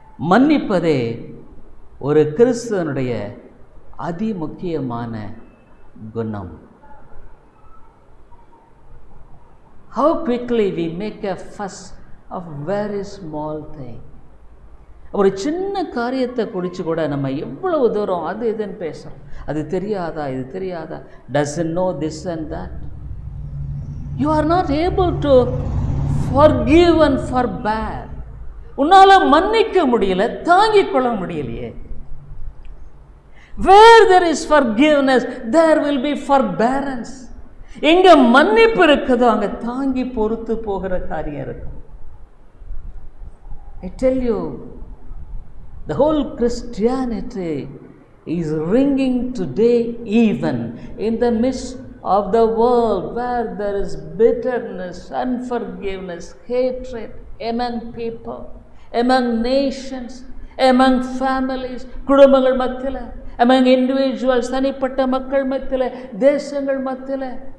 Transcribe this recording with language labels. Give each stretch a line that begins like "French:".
Tamil: Mannippade oru Christanudaiya adhi mukkiyamaana gunam.
English: How quickly we make a fuss of very small thing.
Tamil: ஒரு சின்ன காரியத்தை குறித்து கூட நம்ம எவ்வளவு தூரம் அது இதுன்னு பேசுகிறோம். அது தெரியாதா, இது தெரியாதா,
English: Doesn't know this and that. You are not able to forgive and forbear.
Tamil: உன்னால் மன்னிக்க முடியல, தாங்கிக் கொள்ள முடியலையே.
English: Where there is forgiveness, there will be forbearance.
Tamil: எங்கே மன்னிப்பு இருக்குதோ அங்கே தாங்கி பொறுத்து போகிற காரியம் இருக்கும்.
English: I tell you, the whole Christianity is ringing today even in the midst of the world where there is bitterness, unforgiveness, hatred among people, among nations, among families,
Tamil: kudumbangal mathile,
English: among individuals,
Tamil: thanipatta makkal mathile, desangal mathile.